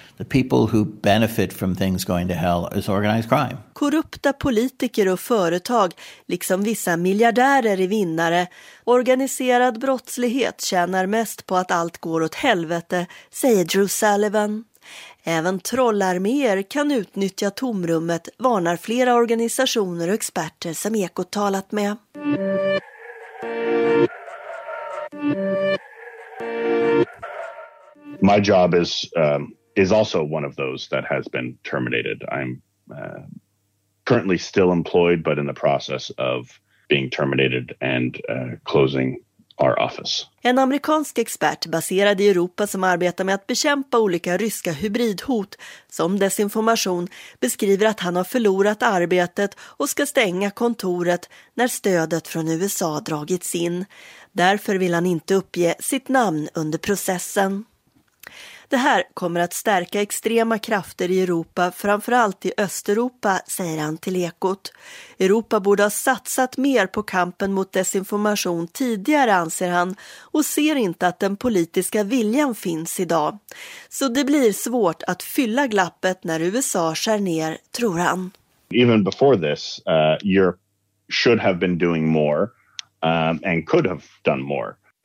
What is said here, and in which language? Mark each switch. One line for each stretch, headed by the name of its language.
English: The people who benefit from things going to hell is organized crime.
Swedish: Korrupta politiker och företag, liksom vissa miljardärer är vinnare. Organiserad brottslighet tjänar mest på att allt går åt helvete, säger Drew Sullivan. Även trollarméer kan utnyttja tomrummet, varnar flera organisationer och experter som Ekot talat med.
English: My job is also one of those that has been terminated. I'm currently still employed, but in the process of being terminated and closing our office.
Swedish: En amerikansk expert baserad i Europa som arbetar med att bekämpa olika ryska hybridhot som desinformation beskriver att han har förlorat arbetet och ska stänga kontoret när stödet från USA dragits in. Därför vill han inte uppge sitt namn under processen. Det här kommer att stärka extrema krafter i Europa, framförallt i Östeuropa, säger han till Ekot. Europa borde ha satsat mer på kampen mot desinformation tidigare, anser han, och ser inte att den politiska viljan finns idag. Så det blir svårt att fylla glappet när USA skär ner, tror han.
English: Even before this, Europe should have been doing more and could have done more.